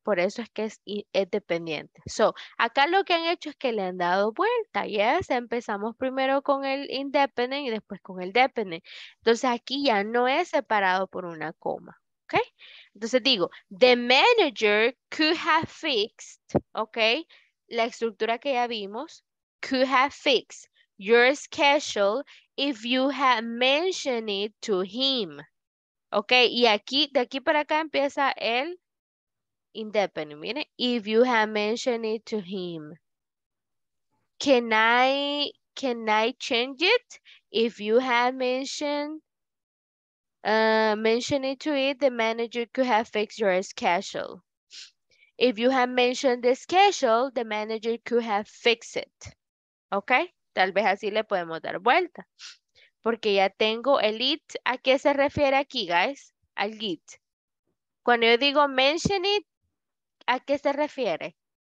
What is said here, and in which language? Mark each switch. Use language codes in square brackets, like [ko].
[es] Por eso es que es dependiente. So, acá lo que han hecho es que le han dado vuelta, ¿yes? Empezamos primero con el independent y después con el dependent. Entonces, aquí ya no es separado por una coma, ¿ok? Entonces digo, [en] the manager could have fixed, ¿ok? [es] La estructura que ya vimos, [en] could have fixed your schedule if you had mentioned it to him. [es] Ok, y aquí, de aquí para acá empieza el independent, miren, [en] if you have mentioned it to him. Can I change it if you have mentioned it to it, the manager could have fixed your schedule. If you have mentioned the schedule, the manager could have fixed it. [es] Ok, tal vez así le podemos dar vuelta. Porque ya tengo el it. ¿A qué se refiere aquí, guys? Al it. Cuando yo digo [en] mention it, [es] ¿a qué se refiere?